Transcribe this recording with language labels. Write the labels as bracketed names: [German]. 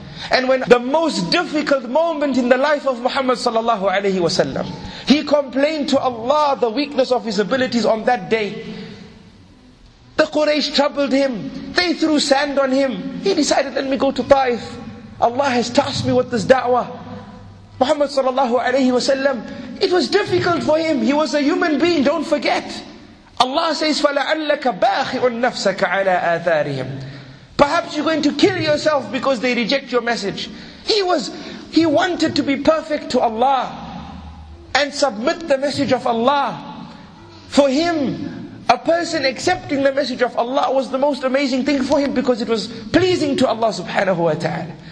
[English] And when the most difficult moment in the life of Muhammad sallallahu alayhi wa sallam, he complained to Allah the weakness of his abilities on that day. The Quraysh troubled him. They threw sand on him. He decided, let me go to Taif. Allah has tasked me with this da'wah. Muhammad sallallahu alayhi wa sallam, it was difficult for him. He was a human being, don't forget. [Arabic] Allah says, فَلَعَلَّكَ بَاخِعُ النَّفْسَكَ عَلَىٰ آثَارِهِمْ. [English] Perhaps you're going to kill yourself because they reject your message. He wanted to be perfect to Allah and submit the message of Allah. For him, a person accepting the message of Allah was the most amazing thing for him because it was pleasing to Allah subhanahu wa ta'ala.